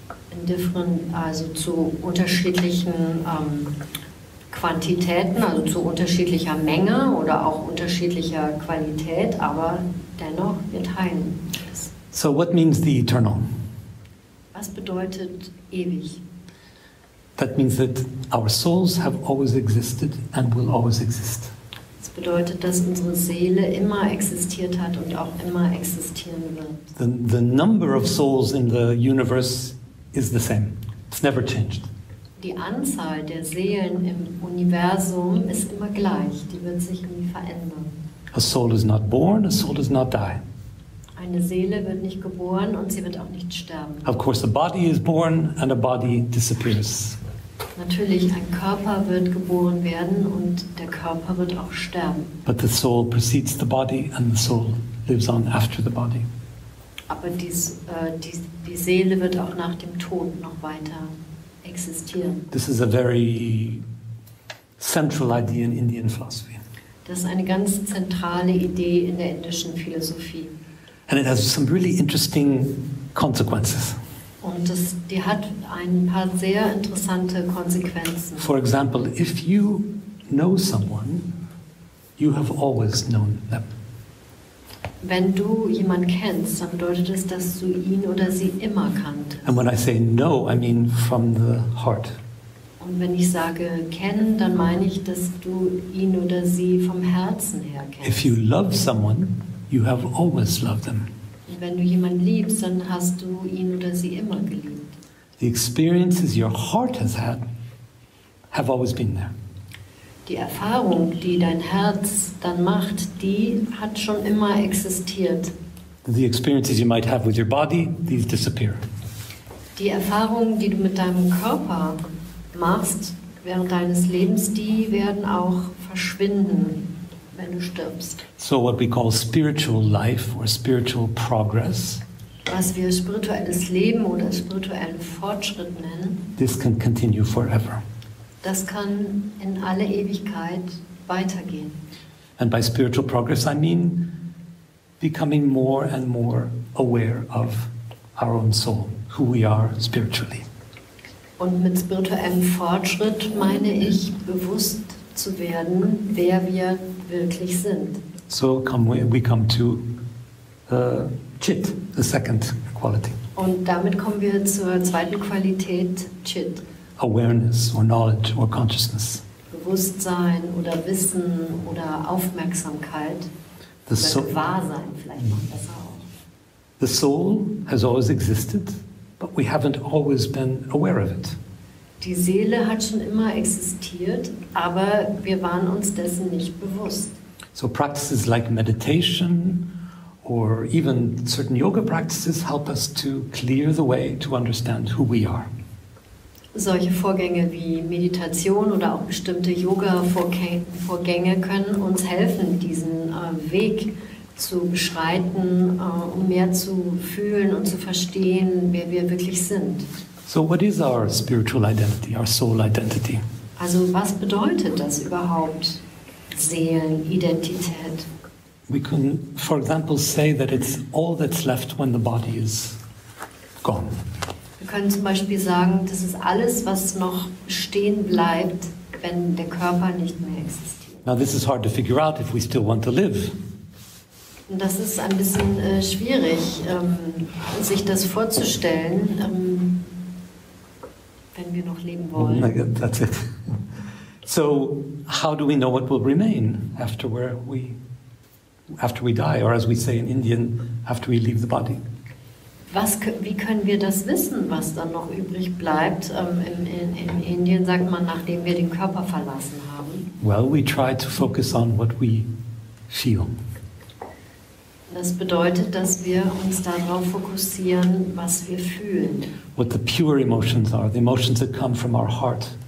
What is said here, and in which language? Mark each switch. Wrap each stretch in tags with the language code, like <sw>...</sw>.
<en>In different,</en> <de>also zu unterschiedlichen Quantitäten, also zu unterschiedlicher Menge oder auch unterschiedlicher Qualität, aber dennoch, wir teilen es.</de> <en>So what means the eternal?</en> <de>Was bedeutet ewig?</de> <en>That means that our souls have always existed and will always exist.</en> <de>Das bedeutet, dass unsere Seele immer existiert hat und auch immer existieren wird.</de> <en>The number of souls in the universe is the same. It's never changed.</en> <de>Die Anzahl der Seelen im Universum ist immer gleich. Die wird sich nie verändern.</de> <en>A soul is not born, a soul does not die.</en> <de>Eine Seele wird nicht geboren und sie wird auch nicht sterben.</de> <en>Of course, a body is born and a body disappears.</en> <de>Natürlich, ein Körper wird geboren werden und der Körper wird auch sterben.</de> <en>But the soul precedes the body and the soul lives on after the body.</en> <de>Aber die Seele wird auch nach dem Tod noch weiter existieren.</de> <en>This is a very central idea in Indian philosophy.</en> <de>Das ist eine ganz zentrale Idee in der indischen Philosophie.</de> <en>And it has some really interesting consequences.</en> <de>Und die hat ein paar sehr interessante Konsequenzen.</de> <en>For example, if you know someone, you have always known them.</en> <de>Wenn du jemanden kennst, dann bedeutet das, dass du ihn oder sie immer kanntest.</de> <en>And when I say know, I mean from the heart.</en> <de>Und wenn ich sage kennen, dann meine ich, dass du ihn oder sie vom Herzen her kennst.</de> <en>If you love someone, you have always loved them.</en> <de>Wenn du jemanden liebst, dann hast du ihn oder sie immer geliebt.</de> <en>The experiences your heart has had have always been there.</en> <de>Die Erfahrung, die dein Herz dann macht, die hat schon immer existiert.</de> <en>The experiences you might have with your body, these disappear.</en> <de>Die Erfahrungen, die du mit deinem Körper machst während deines Lebens, die werden auch verschwinden. Wenn du stirbst.</de> <en>So what we call spiritual life or spiritual progress.</en> <de>Was wir spirituelles Leben oder spirituellen Fortschritt nennen.</de> <en>This can continue forever.</en> <de>Das kann in alle Ewigkeit weitergehen.</de> <en>And by spiritual progress I mean becoming more and more aware of our own soul, who we are spiritually.</en> <de>Und mit spirituellem Fortschritt meine ich bewusst zu werden, wer wir wirklich sind.</de> <en>So we come to Chit, the second quality.</en> <de>Und damit kommen wir zur zweiten Qualität, Chit.</de> <en>Awareness or knowledge or consciousness.</en> <de>Bewusstsein oder Wissen oder Aufmerksamkeit. The oder Gewahrsein vielleicht noch besser auch.</de> <en>The soul has always existed, but we haven't always been aware of it.</en> <de>Die Seele hat schon immer existiert, aber wir waren uns dessen nicht bewusst.</de> <en>So practices like meditation or even certain yoga practices help us to clear the way to understand who we are.</en> <de>solche Vorgänge wie Meditation oder auch bestimmte Yoga-Vorgänge können uns helfen, diesen Weg zu beschreiten, um mehr zu fühlen und zu verstehen, wer wir wirklich sind.</de> <en>So what is our spiritual identity, our soul identity?</en> <de>Also was bedeutet das überhaupt, Seelenidentität?</de> <en>We can, for example, say that it's all that's left when the body is gone.</en> <de>Wir können zum Beispiel sagen, das ist alles, was noch stehen bleibt, wenn der Körper nicht mehr existiert.</de> <en>Now this is hard to figure out if we still want to live.</en> <de>Und das ist ein bisschen schwierig, sich das vorzustellen, wenn wir noch leben wollen.</de> <en>Oh, that's it. So, how do we know what will remain after we die, or as we say in Indian, after we leave the body?</en> <de>Wie können wir das wissen, was dann noch übrig bleibt? In Indien sagt man, nachdem wir den Körper verlassen haben.</de> <en>Well, we try to focus on what we feel.</en> <de>Das bedeutet, dass wir uns darauf fokussieren, was wir fühlen.</de> <en>What the pure emotions are, the emotions that come from our heart.</en>